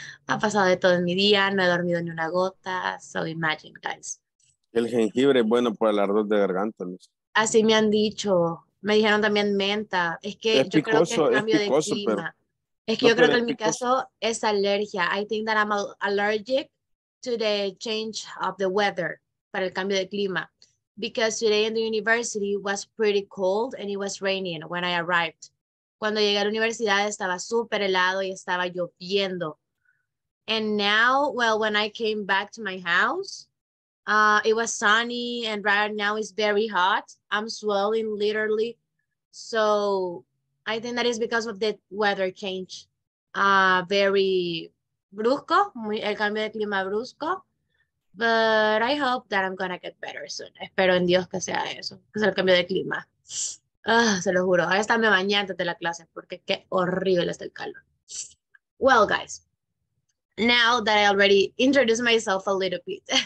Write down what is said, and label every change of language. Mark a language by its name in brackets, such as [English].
[Spanish] Ha pasado de todo en mi día, no he dormido ni una gota. [English] So, imagine, guys. [Spanish] El jengibre es bueno para el ardor de garganta, ¿no? Así me han dicho. Me dijeron también menta. Es que es picoso, yo creo que es cambio es picoso, de clima. Pero, es que no, yo creo que en mi caso es alergia. [English] I think that I'm allergic to the change of the weather. [Spanish] Para el cambio de clima, [English] because today in the university was pretty cold and it was raining when I arrived. [Spanish] Cuando llegué a la universidad estaba súper helado y estaba lloviendo. [English] And now, well, when I came back to my house, it was sunny and right now it's very hot. I'm swelling literally. So I think that is because of the weather change. [Spanish] Very brusco, el cambio de clima brusco. [English] But I hope that I'm going to get better soon. [Spanish] Espero en Dios que sea eso. Que sea el cambio de clima. Se lo juro. Ahora estáme bañando de la clase porque qué horrible está el calor. [English] Well, guys. Now that I already introduced myself a little bit.